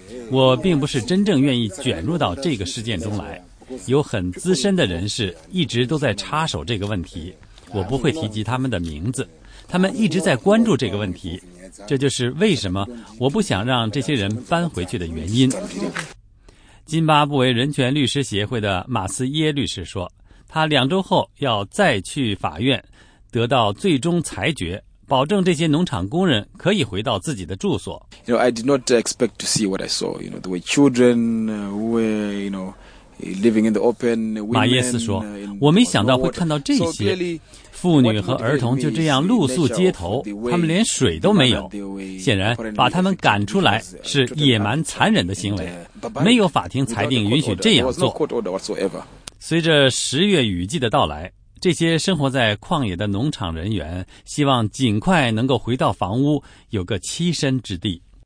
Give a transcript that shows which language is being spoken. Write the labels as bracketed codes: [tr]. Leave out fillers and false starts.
[zh] 我并不是真正愿意卷入到这个事件中来，有很资深的人士一直都在插手这个问题，我不会提及他们的名字，他们一直在关注这个问题，这就是为什么我不想让这些人搬回去的原因。津巴布韦人权律师协会的马斯耶律师说，他两周后要再去法院得到最终裁决，保证这些农场工人可以回到自己的住所。 [en] I did not expect to see what I saw. You know, the way children were, you know, living in the open. [zh] 马耶斯说，我没想到会看到这些妇女和儿童就这样露宿街头，他们连水都没有。显然，把他们赶出来是野蛮残忍的行为，没有法庭裁定允许这样做。随着十月雨季的到来，这些生活在旷野的农场人员希望尽快能够回到房屋，有个栖身之地。